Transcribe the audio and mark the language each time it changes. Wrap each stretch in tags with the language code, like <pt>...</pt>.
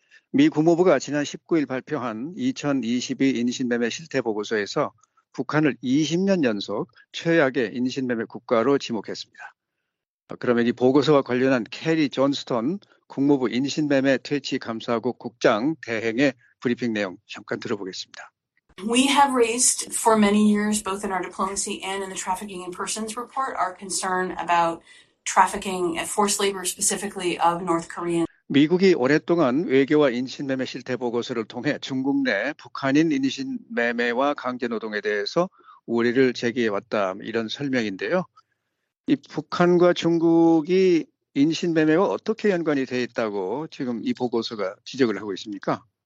<ko>미 국무부가 지난 19일 발표한 2022 인신매매 실태 보고서에서 북한을 20년 연속 최악의 인신매매 국가로 지목했습니다. 그러면 이 보고서와 관련한 캐리 존스톤 국무부 인신매매 퇴치 감사국 국장 대행의 브리핑 내용 잠깐 들어보겠습니다.</ko> <en>We have raised for many years, both in our diplomacy and in the Trafficking in Persons report, our concern about trafficking and forced labor, specifically of North Korean.</en> <ko>미국이 오랫동안 외교와 인신매매 실태 보고서를 통해 중국 내 북한인 인신매매와 강제노동에 대해서 우려를 제기해 왔다 이런 설명인데요. 이 북한과 중국이 인신매매와 어떻게 연관이 돼 있다고 지금 이 보고서가 지적을 하고 있습니까?</ko>